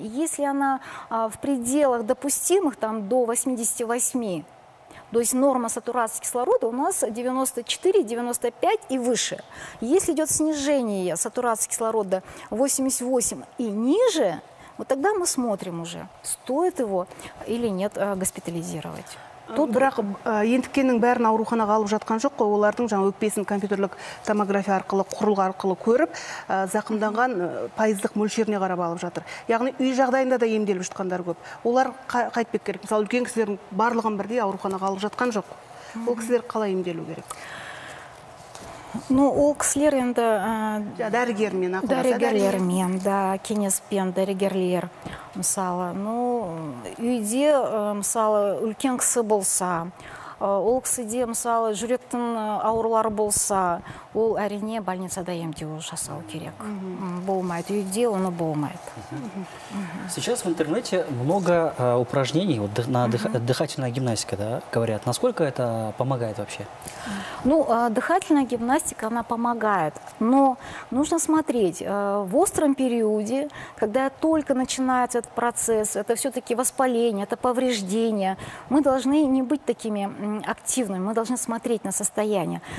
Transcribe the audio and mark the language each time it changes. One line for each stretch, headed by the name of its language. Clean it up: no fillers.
Russian: Если она в пределах допустимых, там до 88, то есть норма сатурации кислорода у нас 94-95 и выше. Если идет снижение сатурации кислорода 88 и ниже, вот тогда мы смотрим уже, стоит его или нет госпитализировать.
Kazakh: Тут бірақ ентіккеннің бәрін ауруханаға алып жатқан жоқ қой, олардың жаңа өкпесін компьютерлік томография арқылы, құрылғы арқылы көріп, зақымданған пайыздық мөлшеріне қарап алып жатыр. Яғни үй жағдайында да емделіп жатқандар көп. Олар қайтпек керек. Мысалы, үлкен кісілердің барлығын бірдей ауруханаға алып жатқан жоқ. Ол кісілер қалай емделу керек? Ну, окслер енді дәрігермен ақылдасады. Дәрігерлермен, да, кеңеспен дәрігерлер. Мысалы, ну, үйде, мысалы, үлкен кісі болса, ол кісіде, мысалы, жүректің аурулары болса, ол әрине больницада емдеу жасау керек. Болмайды үйде, оны болмайды.
Russian: Сейчас в интернете много упражнений вот на дыхательная гимнастика, да, говорят. Насколько это помогает вообще? Ну, дыхательная гимнастика, она помогает, но нужно смотреть, в остром периоде, когда только начинается этот процесс, это все-таки воспаление, это повреждение, мы должны не быть такими активными, мы должны смотреть на состояние.